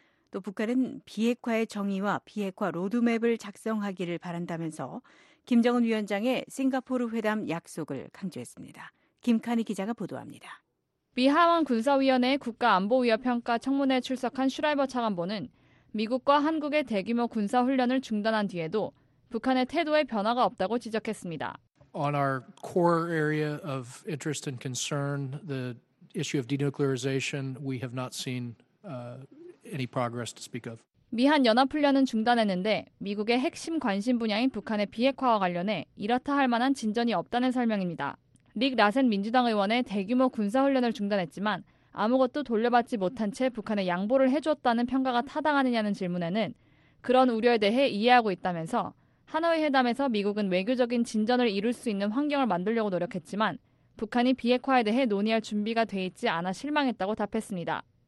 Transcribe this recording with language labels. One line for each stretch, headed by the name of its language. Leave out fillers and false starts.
Korean: 또 북한은 비핵화의 정의와 비핵화 로드맵을 작성하기를 바란다면서 김정은 위원장의 싱가포르 회담 약속을 강조했습니다. 김카니 기자가 보도합니다. 미 하원 군사위원회 국가안보위협평가 청문회에 출석한 슈라이버 차관보는 미국과 한국의 대규모 군사훈련을 중단한 뒤에도 북한의 태도에 변화가 없다고 지적했습니다.
English: On our core area of interest and concern, the issue of denuclearization, we have not seen any progress to speak of.
Korean: 미한 연합훈련은 중단했는데 미국의 핵심 관심 분야인 북한의 비핵화와 관련해 이렇다 할 만한 진전이 없다는 설명입니다. 릭 라센 민주당 의원의 대규모 군사훈련을 중단했지만 아무것도 돌려받지 못한 채 북한에 양보를 해줬다는 평가가 타당하느냐는 질문에는 그런 우려에 대해 이해하고 있다면서 하노이 회담에서 미국은 외교적인 진전을 이룰 수 있는 환경을 만들려고 노력했지만 북한이 비핵화에 대해 논의할 준비가 돼 있지 않아 실망했다고 답했습니다.